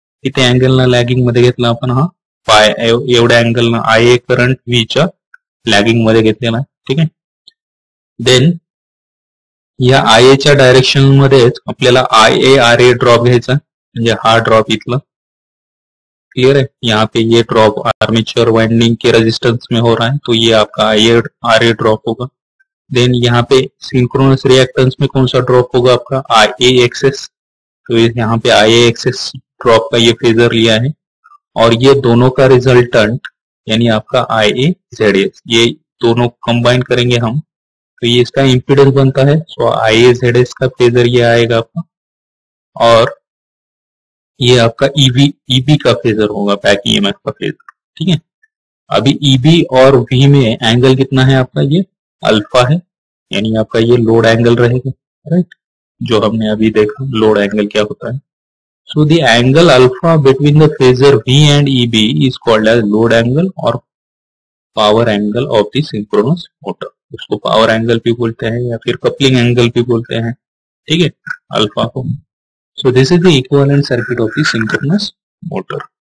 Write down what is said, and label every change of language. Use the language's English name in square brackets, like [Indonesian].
[Marathi] इथे अँगल ना लॅगिंग मध्ये घेतला आपण, हा पाय एवढ्या अँगल ना आय ए करंट व्हीच्या लॅगिंग मध्ये घेतलेला आहे. ठीक आहे, देन या आय एच्या डायरेक्शन मध्येच आपल्याला I A R A drop घ्यायचा, म्हणजे हा ड्रॉप इथला. क्लियर आहे, [Hindi] यहाँ पे ये ड्रॉप आर्मेचर वाइंडिंग के रेजिस्टेंस में हो रहा है तो ये आपका आई ए आर ए ड्रॉप होगा. देन यहाँ पे सिंक्रोनस रिएक्टेंस में कौन सा ड्रॉप होगा आपका, आई ए एक्सेस. तो यहाँ पे आई ए एक्सेस ड्रॉप का ये फेजर लिया है और ये दोनों का रिजल्टेंट यानी आपका आई ए जेड एस, ये दोनों कंबाइन करेंगे हम तो ये इसका इम्पीडेंस बनता है. सो आई ए जेड एस का फेजर ये आएगा आपका, और ये आपका ईवी ईबी का फेजर होगा, बैक ईएमएफ का फेजर. ठीक है, अभी ईबी और वी में एंगल कितना है आपका, ये अल्फा है, यानी आपका ये लोड एंगल रहेगा. राइट, जो हमने अभी देखा लोड एंगल क्या होता है. [English] So the angle alpha between the phasor V and EB is called as load angle और power angle of the synchronous motor. [Hindi] उसको पावर एंगल भी बोलते हैं या फिर कपलिंग एंगल भी बोलते हैं. ठीक है, अल्फा को. [English] So this is the equivalent circuit of the synchronous motor.